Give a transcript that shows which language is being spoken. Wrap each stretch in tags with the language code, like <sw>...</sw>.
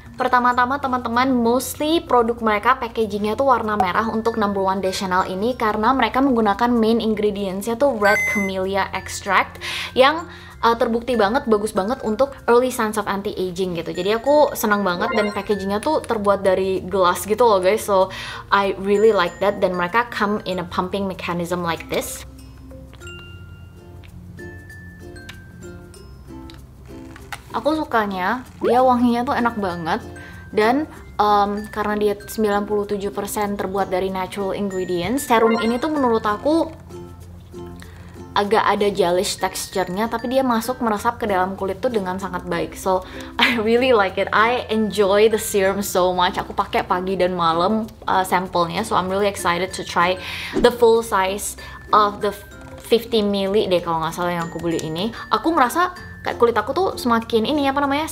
<id>Pertama-tama teman-teman, mostly produk mereka packagingnya tuh warna merah untuk number one de Chanel ini karena mereka menggunakan main ingredientsnya tuh Red Camellia Extract yang terbukti banget, bagus banget untuk</id> <en>early signs of anti-aging</en> <id>gitu. Jadi aku senang banget dan packagingnya tuh terbuat dari gelas gitu loh guys.</id> <en>So I really like that</en> <id>dan mereka</id> <en>come in a pumping mechanism like this.</en> <id>Aku sukanya, dia wanginya tuh enak banget dan karena dia 97% terbuat dari natural ingredients, serum ini tuh menurut aku agak ada gelish texture-nya tapi dia masuk meresap ke dalam kulit tuh dengan sangat baik.</id> <en>So, I really like it. I enjoy the serum so much.</en> <id>Aku pakai pagi dan malam sampelnya.</id> <en>So, I'm really excited to try the full size of the 50ml</en> <id>deh kalau nggak salah yang aku beli ini. Aku ngerasa kayak kulit aku tuh semakin ini apa namanya?</id>